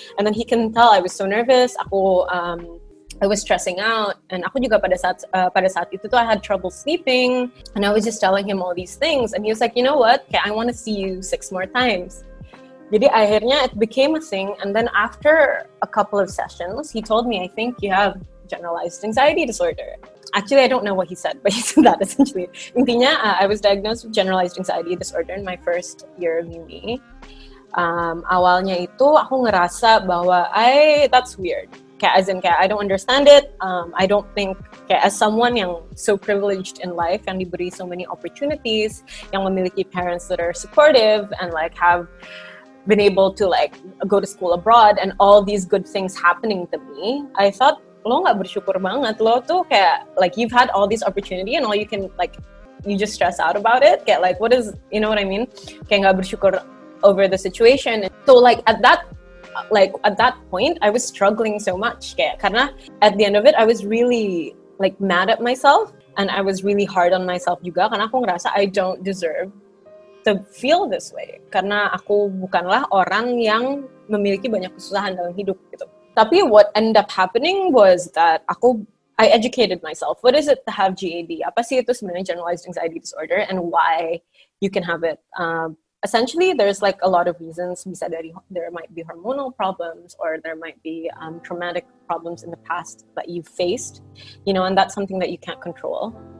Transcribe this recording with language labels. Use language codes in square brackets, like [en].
[en] And then he can tell I was so nervous. I was stressing out, and [id] aku juga pada saat itu tuh [en] I had trouble sleeping, and I was just telling him all these things, and he was like, you know what? Okay, I want to see you 6 more times. [id] Jadi akhirnya [en] it became a thing, and then after a couple of sessions, he told me, I think you have generalized anxiety disorder. Actually, I don't know what he said, but he said that essentially. Intinya, I was diagnosed with generalized anxiety disorder in my first year of uni. [id] Awalnya itu aku ngerasa bahwa [en] that's weird. Kayak as in kayak I don't understand it. I don't think kayak as someone yang so privileged in life, [id] yang diberi [en] so many opportunities, [id] yang memiliki [en] parents that are supportive and like have been able to like go to school abroad and all these good things happening to me. I thought [id] lo nggak bersyukur banget, lo tuh kayak [en] like you've had all these opportunity and all you can like you just stress out about it. Kayak like what is, you know what I mean? [id] Kayak nggak bersyukur [en] over the situation. So like at that point, I was struggling so much. [id] Kayak, karena [en] at the end of it, I was really like mad at myself, and I was really hard on myself juga. [id] Karena aku ngerasa [en] I don't deserve to feel this way. [id] Karena aku bukanlah orang yang memiliki banyak kesusahan dalam hidup gitu. [en] Tapi what ended up happening was that I educated myself. What is it to have GAD? [id] Apa sih itu sebenarnya [en] generalized anxiety disorder, and why you can have it? Essentially, there's like a lot of reasons. We said that there might be hormonal problems, or there might be traumatic problems in the past that you faced, you know, and that's something that you can't control.